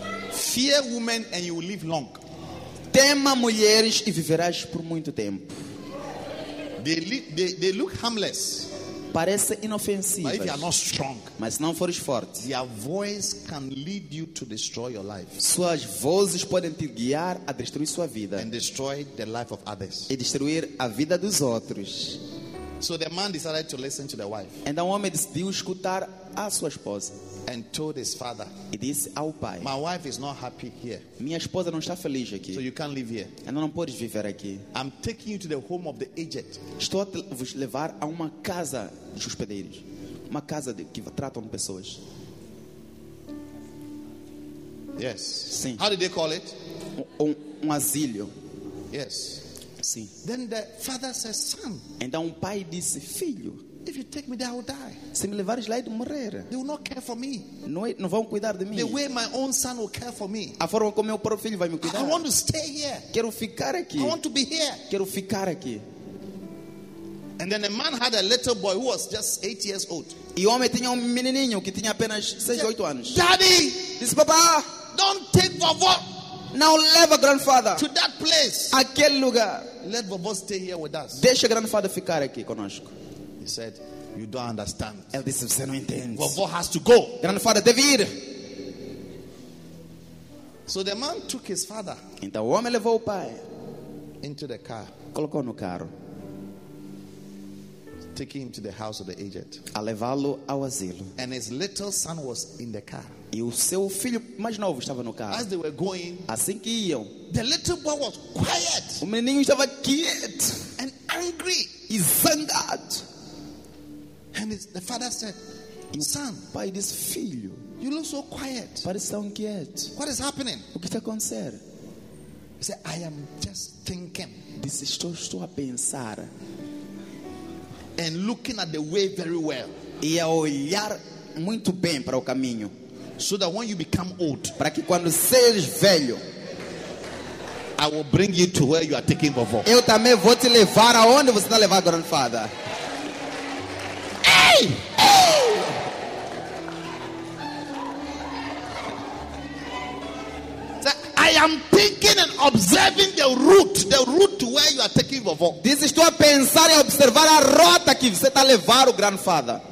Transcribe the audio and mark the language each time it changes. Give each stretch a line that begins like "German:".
English: Fear women and you will live long.
Portuguese: Tema mulheres e viverás por muito tempo.
English: They look harmless.
Portuguese: Parece inofensivas.
English: But if you are not strong,
Portuguese: mas se não fores forte,
English: your voice can lead you to destroy your life.
Portuguese: Suas vozes podem te guiar a destruir sua vida.
English: And destroy the life of others.
Portuguese: E destruir a vida dos outros.
English: So the man decided to listen to the wife.
Portuguese: Então o homem decidiu escutar a sua esposa.
English: And told his father.
Portuguese: E disse ao pai.
English: My wife is not happy here.
Portuguese: Minha esposa não está feliz aqui.
English: So you can't live here.
Portuguese: Então não podes viver aqui.
English: I'm taking you to the home of the aged.
Portuguese: Estou a vos levar a uma casa dos hospedeiros. Uma casa que tratam pessoas.
English: Yes.
Portuguese: Sim.
English: How did they call it?
Portuguese: Um asilo.
English: Yes.
Portuguese: Sim.
English: Then the father says, son.
Portuguese: Então o pai disse, filho.
English: If you take me there, I will die.
Portuguese: Se me levares lá, eu morrer.
English: They will not care for me.
Portuguese: Não vão cuidar de mim.
English: The way my own son will care for me.
Portuguese: A forma como meu próprio filho vai me cuidar.
English: I want to stay here.
Portuguese: Quero ficar aqui.
English: I want to be here.
Portuguese: Quero ficar aqui.
English: And then a man had a little boy who was just 8 years old.
Portuguese: E o homem tinha menininho que tinha apenas 6 ou 8 anos.
English: Daddy,
Portuguese: disse papá,
English: don't take vovó. Now leave a grandfather to that place.
Portuguese: Aquele lugar.
English: Let vovó stay here with us.
Portuguese: Deixa grandfather ficar aqui conosco.
English: He said, you don't understand.
Portuguese: Ele disse, você não entende.
English: Vovó has to go.
Portuguese: Grandfather deve ir.
English: So the man took his father.
Portuguese: Então o homem levou o pai.
English: Into the car.
Portuguese: Colocou no carro.
English: Taking him to the house of the agent.
Portuguese: A levá-lo ao asilo.
English: And his little son was in the car.
Portuguese: E o seu filho mais novo estava no carro.
English: As they were going.
Portuguese: Assim que iam.
English: The little boy was quiet.
Portuguese: O menininho estava quieto.
English: And angry.
Portuguese: E zangado.
English: And the father said,
Portuguese: "Son, pai disse, filho,
English: You look so quiet.
Portuguese: Parece tão quieto.
English: What is happening?
Portuguese: O que está acontecendo?
English: He said, I am just thinking.
Portuguese: Disse, estou a pensar.
English: And looking at the way very well.
Portuguese: E a olhar muito bem para o caminho.
English: So that when you become old,
Portuguese: para que quando seres velho,
English: I will bring you to where you are taking vovó.
Portuguese: Eu também vou te levar aonde você está levando, grandfather. Hey! Hey!
English: So I am thinking and observing the route to where you are taking vovó.
Portuguese: Diz, estou a pensar e a observar a rota que você está levando, grandfather.